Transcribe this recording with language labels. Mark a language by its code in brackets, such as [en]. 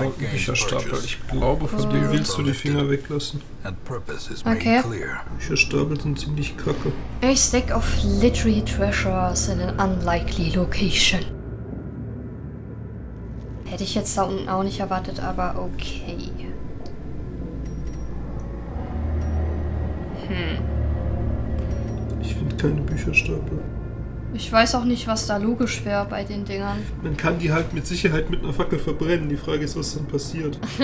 [de] Bücherstapel, ich glaube, von dem willst du die Finger weglassen. Okay. Bücherstapel sind ziemlich kacke. [en] A stack of literary treasures in an unlikely location. [de] Hätte ich jetzt da unten auch nicht erwartet, aber okay. Ich finde keine Bücherstapel. Ich weiß auch nicht, was da logisch wäre bei den Dingern. Man kann die halt mit Sicherheit mit einer Fackel verbrennen. Die Frage ist, was dann passiert.